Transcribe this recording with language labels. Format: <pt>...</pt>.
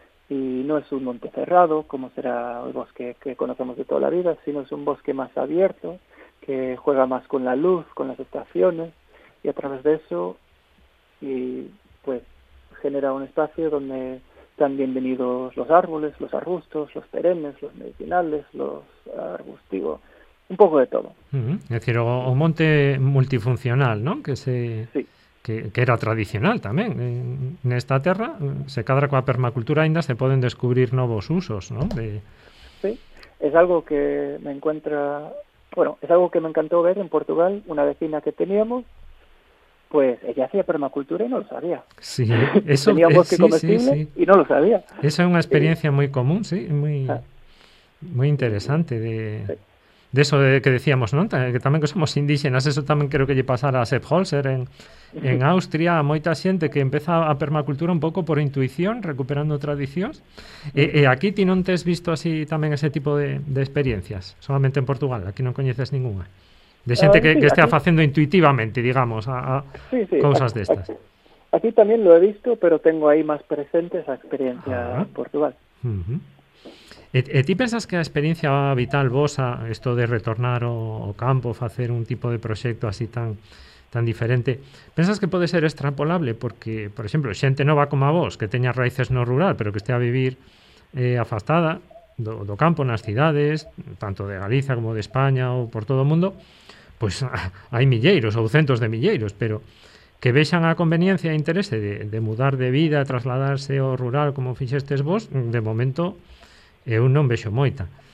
<es>Y no es un monte cerrado, como será el bosque que conocemos de toda la vida, sino es un bosque más abierto, que juega más con la luz, con las estaciones, y a través de eso, y pues, genera un espacio donde están bienvenidos los árboles, los arbustos, los perennes, los medicinales, los arbustivos, un poco de todo. Es decir,</es> <gl>o monte multifuncional, ¿no? Que era tradicional tamén. Nesta terra, se cadra coa permacultura, ainda se poden descubrir novos usos, ¿no?</gl> <es>Sí, es algo que me encuentra. Bueno, es algo que me encantó ver en Portugal, una vecina que teníamos, pues ella hacía permacultura y no lo sabía. Sí, eso. Tenía bosque comestible, sí. Y no lo sabía. Esa es una experiencia muy común, sí, muy, muy interesante de... Sí. De eso que decíamos, ¿no?</es> <gl>Que tamén que somos indígenas, eso tamén creo que lle pasara a Sepp Holzer en Austria, a moita xente que empeza a permacultura un pouco por intuición, recuperando tradicións. E aquí ti non tes visto así tamén ese tipo de experiencias, solamente en Portugal, aquí non coñeces ninguna. De xente que estea facendo intuitivamente, digamos, a cousas destas.</gl> <es>Aquí también lo he visto, pero tengo ahí más presente esa experiencia en Portugal. Uh-huh.</es> <gl>¿Ti pensas</gl> <es>que la experiencia vital vosa, esto de retornar o campo, hacer un tipo de proyecto así tan, tan diferente, pensas que puede ser extrapolable? Porque, por ejemplo,</es> <gl>xente nova como a vos, que teña raíces no rural, pero que esté a vivir afastada do campo nas cidades, tanto de Galicia como de España ou por todo o mundo, pues hai milleiros ou centos de milleiros, pero que vexan a conveniencia e interese de mudar de vida, trasladarse ao rural como fixestes vos, de momento eu non vexo moita.</gl>